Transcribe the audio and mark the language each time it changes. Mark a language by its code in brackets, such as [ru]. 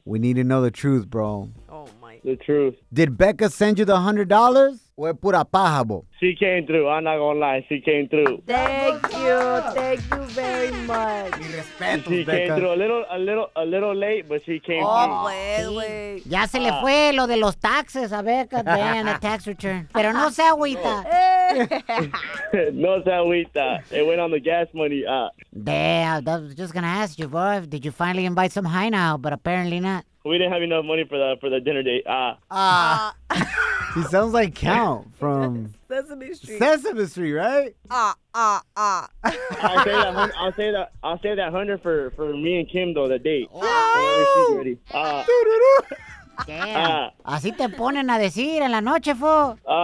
[en] We need to know the truth, bro. Oh, my. The truth. Did Becca send you the $100? Or [es] pura paja, bo? [en] She came through. I'm not gonna lie. She came through. Thank you. Thank you very much. [es] Mi respeto, [en] she [es] Becca. [en] Came through a little late, but she came through. Oh, wait. [es] Ya se le fue lo de los taxes a Becca. [en] Damn, the tax return. [es] Pero no se agüita. No se agüita. [en] It went on the gas money. Damn, I was just gonna ask you, bro. Did you finally invite some high now? But apparently not. We didn't have enough money for the dinner date. He sounds like Count from Sesame Street, right? I'll say that 100 for me and Kim though, the date. Oh. She's ready. Damn. [es] Así te ponen a decir en la noche, fo.